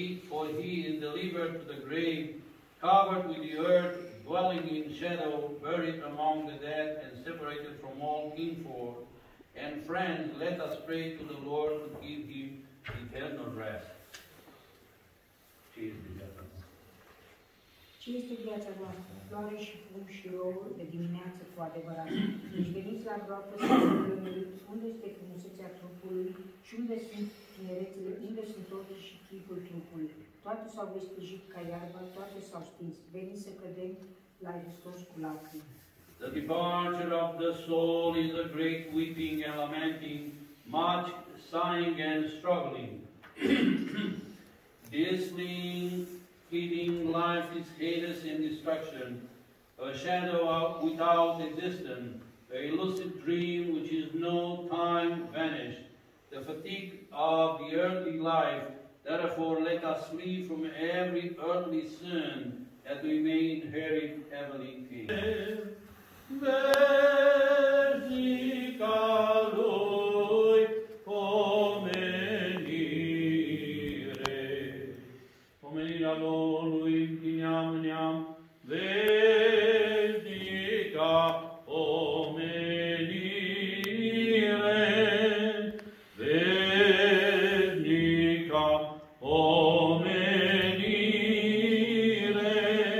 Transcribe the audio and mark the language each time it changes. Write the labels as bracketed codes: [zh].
[en] For he is delivered to the grave, covered with the earth, dwelling in shadow, buried among the dead, and separated from all kinfolk. And friends, let us pray to the Lord to give him eternal rest. Jesus. [ro] Ce este viața voastră? Floare și fum și rouă de dimineață cu adevărat. Deci veniți la groapă să vă gândiți unde este frumusețea trupului și unde sunt tinerețele, unde sunt totul și chipul trupului. Toate s-au vestijit ca iarba, toate s-au stins. Veniți să cădem la Hristos cu lacrimi. [en] The departure of the soul is a great weeping and lamenting, much sighing and struggling. Dissolving, fleeting life is hideous and destruction, a shadow of without existence, a lucid dream which is no time vanished. The fatigue of the earthly life, therefore let us flee from every earthly sin that we may inherit heavenly kingdom. [ro] Veșnica lui pomenire, pomenirea Domnului din neam în neam, veșnica pomenire, veșnica pomenire,